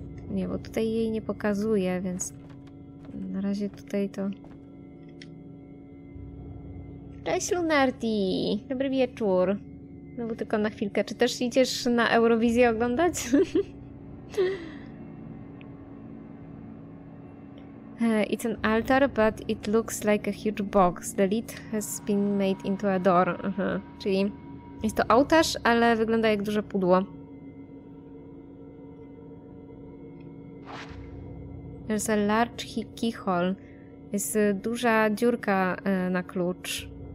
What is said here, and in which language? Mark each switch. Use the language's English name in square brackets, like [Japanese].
[Polish] Nie, bo tutaj jej nie pokazuję, więc... Na razie tutaj to... Cześć, Lunarty! Dobry wieczór! No bo tylko na chwilkę. Czy też idziesz na Eurowizję oglądać? [English] It's an altar, but it looks like a huge box. The lid has been made into a door. [Polish] Czyli jest to ołtarz, ale wygląda jak duże pudło. [English] There's a large keyhole. [Polish] Jest duża dziurka na klucz.